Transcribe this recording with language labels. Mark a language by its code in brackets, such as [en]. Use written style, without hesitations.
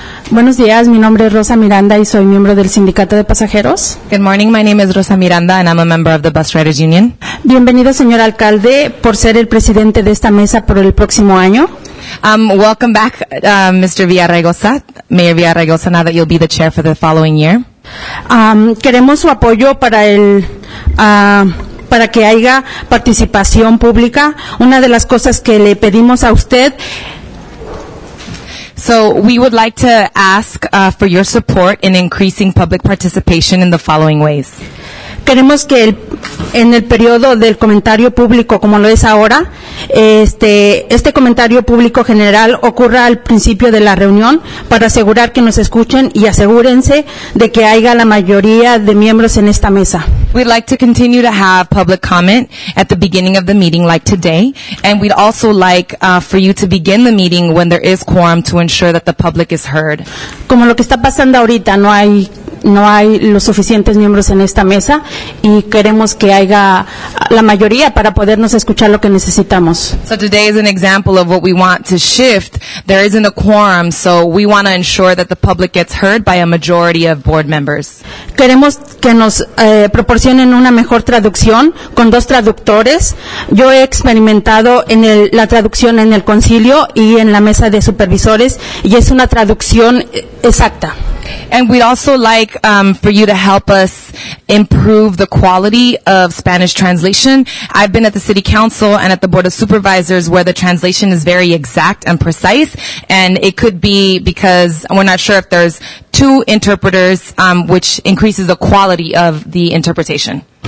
[es] Buenos días, mi nombre es Rosa Miranda y soy miembro del Sindicato de Pasajeros. [en] Good morning, my name is Rosa Miranda and I'm a member of the Bus Riders Union. [es] Bienvenido, señor alcalde, por ser el presidente de esta mesa por el próximo año. [en] Welcome back, Mr. Villarraigosa, Mayor Villarraigosa, now that you'll be the chair for the following year. [es] Queremos su apoyo para el... para que haya participación pública. Una de las cosas que le pedimos a usted... [en] So we would like to ask for your support in increasing public participation in the following ways. [es] queremos que el, en el periodo del comentario público, como lo es ahora, este comentario público general ocurra al principio de la reunión para asegurar que nos escuchen y asegúrense de que haya la mayoría de miembros en esta mesa. [en] We'd like to continue to have public comment at the beginning of the meeting like today, and we'd also like for you to begin the meeting when there is quorum to ensure that the public is heard. [es] Como lo que está pasando ahorita, no hay los suficientes miembros en esta mesa y queremos que haya la mayoría para podernos escuchar lo que necesitamos. [en] So today is an example of what we want to shift. There isn't a quorum, so we want to ensure that the public gets heard by a majority of board members. [es] Queremos que nos proporcionen una mejor traducción con dos traductores. Yo he experimentado en la traducción en el concilio y en la mesa de supervisores y es una traducción exacta. [en] And we'd also like for you to help us improve the quality of Spanish translation. I've been at the City Council and at the Board of Supervisors where the translation is very exact and precise, and it could be because we're not sure if there's two interpreters, which increases the quality of the interpretation.